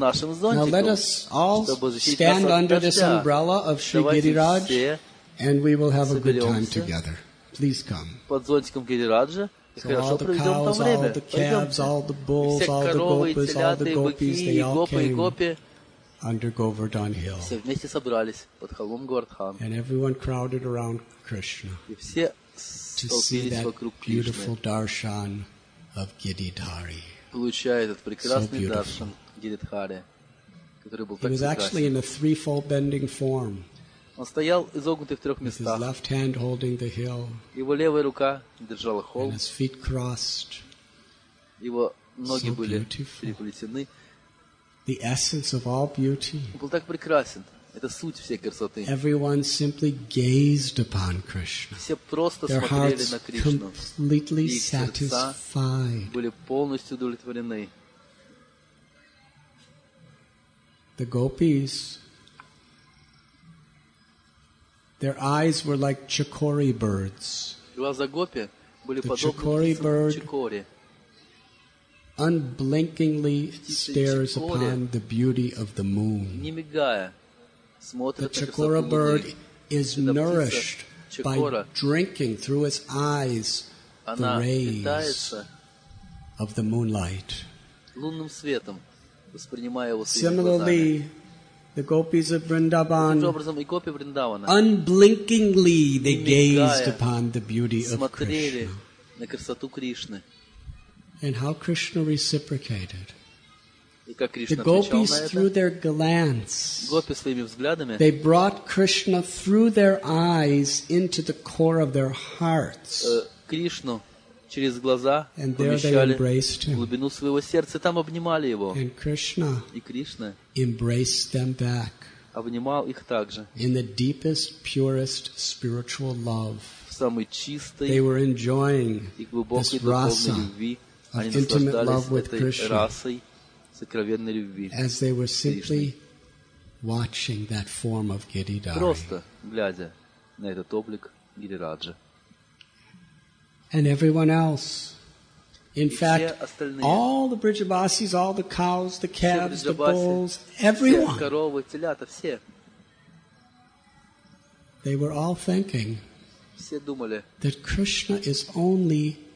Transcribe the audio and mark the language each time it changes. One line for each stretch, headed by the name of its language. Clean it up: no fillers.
English: Now let us all stand under this umbrella of Sri Giriraj, and we will have a good time together. Please come. So all the cows, all the calves, all the bulls, all the gopas, all the gopis, they all came under Govardhan Hill.
Russian: Все вместе собрались под холмом Говардхан.
English: And everyone crowded around Krishna.
Russian: И все столпились вокруг Кришны.
English: Beautiful darshan of Giridhari.
Russian: получая этот прекрасный даршан Гиридхаре, который был так прекрасен.
English: He was actually in a threefold bending form.
Russian: Он стоял изогнутый в трех местах.
English: With his left hand holding the hill.
Russian: Его левая рука держала холм.
English: And his feet crossed.
Russian: Его ноги были переплетены.
English: The essence of all beauty.
Russian: Он был так прекрасен. Это суть всей красоты.
English: Everyone simply gazed upon Krishna.
Russian: Все просто смотрели на Кришну.
English: Completely satisfied.
Russian: Были полностью удовлетворены.
English: The gopis, their eyes were like chakori birds.
Russian: Глаза гопи были подобны
English: chakori bird. Unblinkingly stares upon the beauty of the moon.
Russian: Не мигая.
English: The chakora bird is nourished by drinking through its eyes the rays of the moonlight.
Russian: Лунным светом, воспринимая его
English: светом. Similarly, the gopis of Vrindavan,
Russian: гопи Вриндавана,
English: unblinkingly they gazed upon the beauty of Krishna.
Russian: На красоту Кришны.
English: And how Krishna reciprocated. The gopis through their glance,
Russian: гопи своими взглядами,
English: they brought Krishna through their eyes into the core of their hearts.
Russian: Кришну через глаза помещали в глубину своего сердца, там обнимали его.
English: And Krishna,
Russian: и Кришна,
English: embraced them back,
Russian: обнимал их также.
English: In the deepest, purest spiritual love,
Russian: в самой чистой,
English: they were enjoying
Russian: и глубокой духовной любви,
English: of intimate love with Krishna.
Russian: Расой.
English: As they were simply watching that form of Giridhari.
Russian: Просто глядя на этот облик Гирираджа.
English: And everyone else. In fact, all the Brijavasis, all the cows, the calves, the bulls, everyone.
Russian: Все коровы, телята, все.
English: They were all thinking
Russian: все думали,
English: that Krishna is only